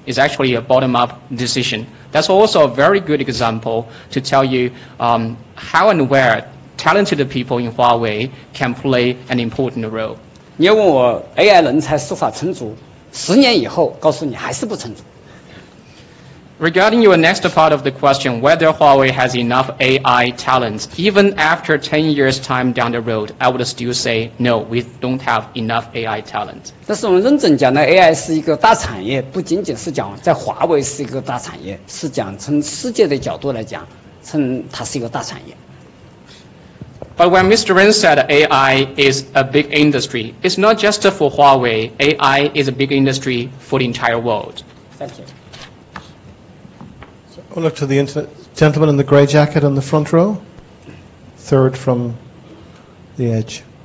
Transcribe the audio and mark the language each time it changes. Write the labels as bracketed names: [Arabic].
[English] It's actually a bottom-up decision. That's also a very good example to tell you how and where talented people in Huawei can play an important role. [Chinese] 你要问我 AI 人才是否充足，十年以后告诉你还是不充足。 [English] Regarding your next part of the question, whether Huawei has enough AI talent, even after 10 years' time down the road, I would still say no, we don't have enough AI talent. [Chinese] 但是我们认真讲呢， AI 是一个大产业，不仅仅是讲在华为是一个大产业，是讲从世界的角度来讲，称它是一个大产业。 [English] But when Mr. Ren said AI is a big industry, it's not just for Huawei, AI is a big industry for the entire world. Thank you. We'll look to the gentleman in the grey jacket on the front row, third from the edge.